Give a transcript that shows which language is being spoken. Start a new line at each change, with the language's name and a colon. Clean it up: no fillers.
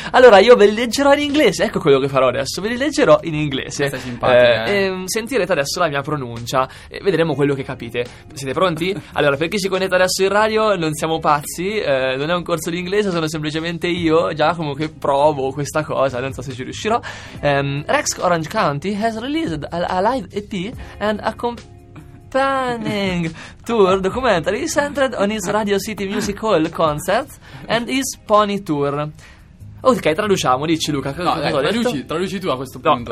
Italian: Allora, io ve li leggerò in inglese. Ecco quello che farò adesso. Ve li leggerò in inglese. Questa è simpatica, E sentirete adesso la mia pronuncia e vedremo quello che capite. Siete pronti? Allora, per chi si connette adesso in radio, non siamo pazzi. Non è un corso di inglese, sono semplicemente io, Giacomo, che provo questa cosa, non so se ci riuscirò.
English: Rex Orange County has released a live EP and a companion tour documentary centered on his Radio City Music Hall concert and his Pony Tour.
Italian: Ok, traduciamo, dici Luca. No, cosa dai, traduci tu a questo punto.